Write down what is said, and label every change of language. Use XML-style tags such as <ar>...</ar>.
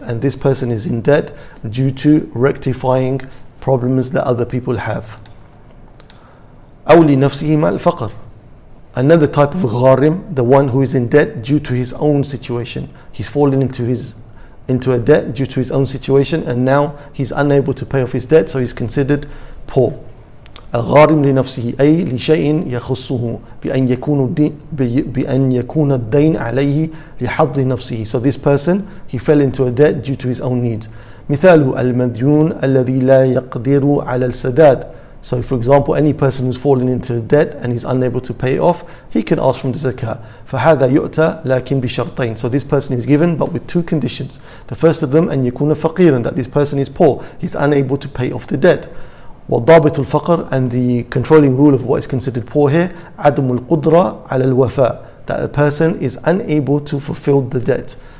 <en>And this person is in debt due to rectifying problems that other people have.</en> <ar>أو لنفسه مع الفقر.</ar> <en>Another type of gharim, the one who is in debt due to his own situation. He's fallen into a debt due to his own situation, and now he's unable to pay off his debt, so he's considered poor.</en> <ar>الغارم لنفسه أي لشيء يخصه بأن يكون الدين بأن يكون الدين عليه لحظ نفسه.</ar> <en>So this person, he fell into a debt due to his own needs.</en> <ar>مثاله المديون الذي لا يقدر على السداد.</ar> <en>So for example, any person who's fallen into debt and he's unable to pay it off, he can ask from the zakah.</en> <ar>فَهَذَا يُؤْتَى لَكِنْ بِشَرْطَيْنِ.</ar> <en>So this person is given, but with two conditions. The first of them,</en> <ar>أَنْ يَكُونَ فَقِيرًا,</ar> <en>that this person is poor, he's unable to pay off the debt.</en> <ar>وَالضَّابِطُ الْفَقْرِ,</ar> <en>and the controlling rule of what is considered poor here,</en> <ar>عَدْمُ الْقُدْرَ عَلَى الْوَفَاءِ,</ar> <en>that a person is unable to fulfill the debt.</en>